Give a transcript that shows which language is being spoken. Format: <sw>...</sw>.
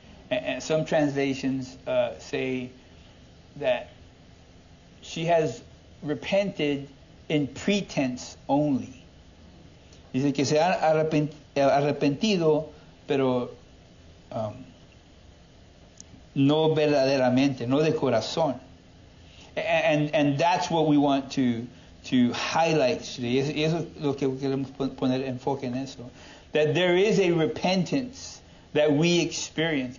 <en>And some translations say that she has repented in pretense only.</en> <es>Dice que se ha arrepentido, pero... no verdaderamente, no de corazón.</es> <en>And that's what we want to highlight today.</en> <es>Y eso es lo que queremos poner enfoque en eso.</es> <en>That there is a repentance that we experience.</en>